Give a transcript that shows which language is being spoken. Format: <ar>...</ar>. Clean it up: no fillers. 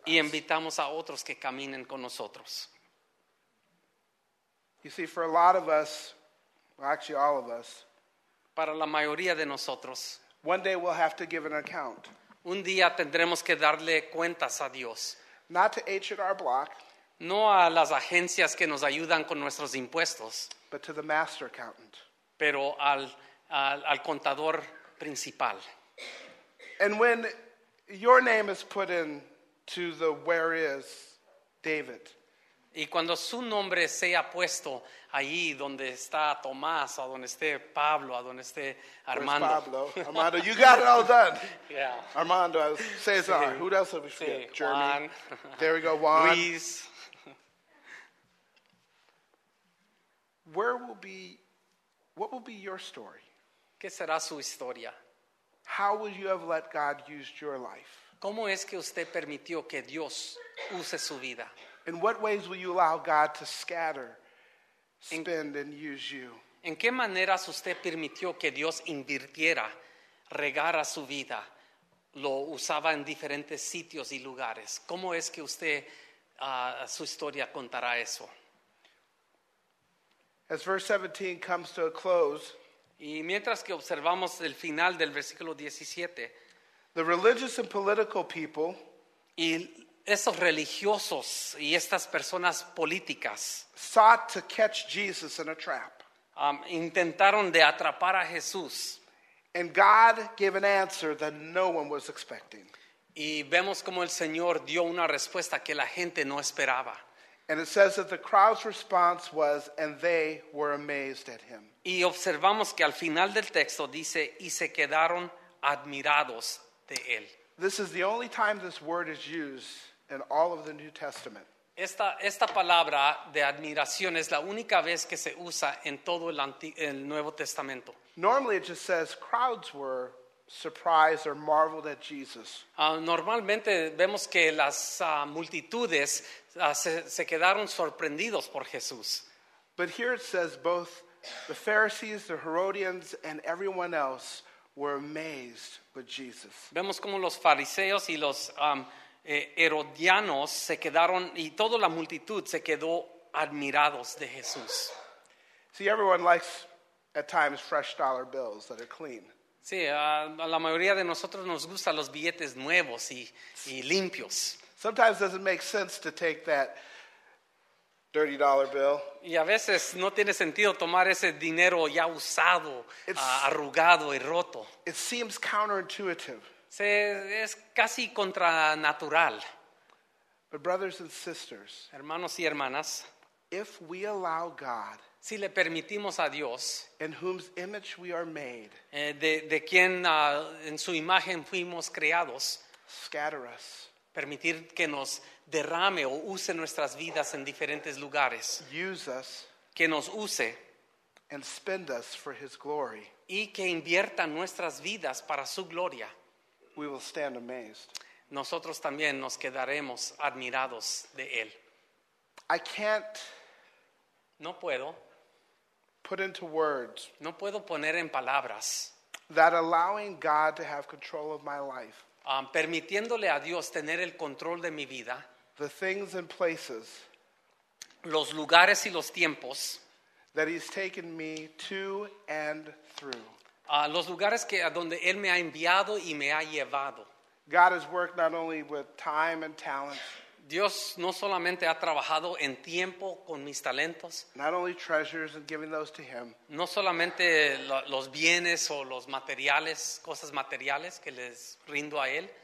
<es>y invitamos a otros que caminen con nosotros.</es> <en>You see, for a lot of us, well, actually all of us,</en> <es>para la mayoría de nosotros,</es> <en>one day we'll have to give an account.</en> <es>Un día tendremos que darle cuentas a Dios.</es> <en>Not to H&R Block,</en> <es>no a las agencias que nos ayudan con nuestros impuestos,</es> <en>but to the master accountant,</en> <es>pero al contador principal.</es> <en>And when your name is put in to the Where is David?</en> <es>Y cuando su nombre sea puesto allí donde está Tomás, o donde esté Pablo, o donde esté Armando.</es> <en>Where's Pablo? Armando, you got it all done. Yeah. Armando, Cesar, sí. Who else did we forget?</en> <es>Sí. Juan.</es> <en>There we go, Juan. Luis. What will be your story?</en> <es>¿Qué será su historia?</es> <en>How will you have let God use your life?</en> <es>¿Cómo es que usted permitió que Dios use su vida?</es> <en>In what ways will you allow God to scatter, spend, and use you?</en> <es>¿En qué maneras usted permitió que Dios invirtiera, regara su vida, lo usaba en diferentes sitios y lugares? ¿Cómo es que usted, su historia contará eso?</es> <en>As verse 17 comes to a close,</en> <es>y mientras que observamos el final del versículo 17,</es> <en>the religious and political people,</en> <es>y esos religiosos y estas personas políticas,</es> <en>sought to catch Jesus in a trap.</en> <es>Intentaron de atrapar a Jesús.</es> <en>And God gave an answer that no one was expecting.</en> <es>Y vemos como el Señor dio una respuesta que la gente no esperaba.</es> <en>And it says that the crowd's response was, and they were amazed at him.</en> <es>Y observamos que al final del texto dice, y se quedaron admirados de él.</es> <en>This is the only time this word is used in all of the New Testament.</en> <es>Esta palabra de admiración es la única vez que se usa en todo el Nuevo Testamento.</es> <en>Normally it just says crowds were surprised or marveled at Jesus.</en> <es>Normalmente vemos que las multitudes se quedaron sorprendidos por Jesús.</es> <en>But here it says both the Pharisees, the Herodians, and everyone else were amazed with Jesus.</en> <es>Vemos como los fariseos y los herodianos se quedaron, y toda la multitud se quedó admirados de Jesús.</es> <en>See, everyone likes at times fresh dollar bills that are clean.</en> <es>Sí, a la mayoría de nosotros nos gustan los billetes nuevos y limpios.</es> <en>Sometimes it doesn't make sense to take that dirty dollar bill.</en> <es>Y a veces no tiene sentido tomar ese dinero ya usado, arrugado y roto.</es> <en>It seems counterintuitive.</en> <es>Sí, es casi contranatural.</es> <en>But brothers and sisters,</en> <es>hermanos y hermanas,</es> <en>if we allow God,</en> <es>si le permitimos a Dios,</es> <en>in whose image we are made,</en> <es>de quien en su imagen fuimos creados,</es> <en>scatter us,</en> <es>permitir que nos derrame o use nuestras vidas en diferentes lugares,</es> <en>use us,</en> <es>que nos use,</es> <en>and spend us for His glory,</en> <es>y que invierta nuestras vidas para su gloria,</es> <en>we will stand amazed.</en> <es>Nosotros también nos quedaremos admirados de él.</es> <en>I can't.</en> <es>No puedo.</es> <en>Put into words.</en> <es>No puedo poner en palabras.</es> <en>That allowing God to have control of my life.</en> <es>Permitiéndole a Dios tener el control de mi vida.</es> <en>The things and places.</en> <es>Los lugares y los tiempos.</es> <en>That He's taken me to and through.</en> <es>Los lugares que a donde él me ha enviado y me ha llevado.</es> <en>God has worked not only with time and talent.</en> <es>Dios no solamente ha trabajado en tiempo con mis talentos.</es> <en>Not only treasures and giving those to Him.</en> <es>No solamente los bienes o los materiales, cosas materiales que les rindo a él.</es>